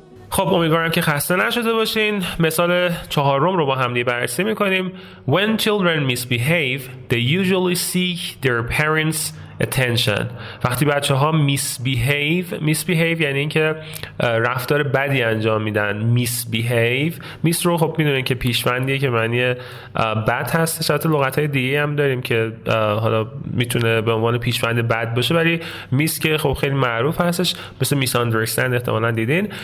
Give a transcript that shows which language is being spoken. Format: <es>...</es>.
<fa>خب امیدوارم که خسته نشده باشین. مثال چهارم رو با هم دیگه بررسی میکنیم.</fa> <en>When children misbehave, they usually seek their parents' attention.</en> <fa>وقتی بچه ها misbehave یعنی این که رفتار بدی انجام میدن. Miss رو خب میدونین که پیشوندیه که معنی بد هستش. حتی لغت های دیگه هم داریم که حالا میتونه به عنوان پیشوند بد باشه، ولی میس که خب خیلی معروف هستش، مثل misunderstand احتمالا دیدین.</fa>